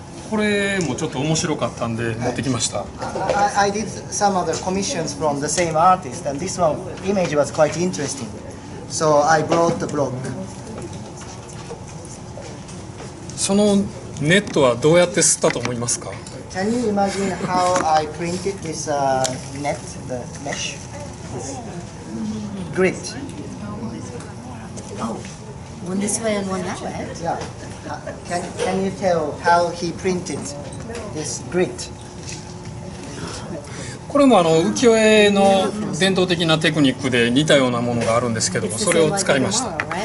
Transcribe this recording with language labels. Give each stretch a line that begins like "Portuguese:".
Japanese: これもちょっと面白かったんで持ってきました。
English: はい、I did some other commissions from the same artist, and this one image was quite interesting. So I brought the block.
Japanese: そのネットはどうやって吸ったと思いますか？
English: Can you imagine how I printed this net, the mesh? Grid. Oh, one this way and one that way. Yeah. Can you tell how he printed this grid?
Japanese: これもあの浮世絵の伝統的なテクニックで似たようなものがあるんですけども、それを使いました。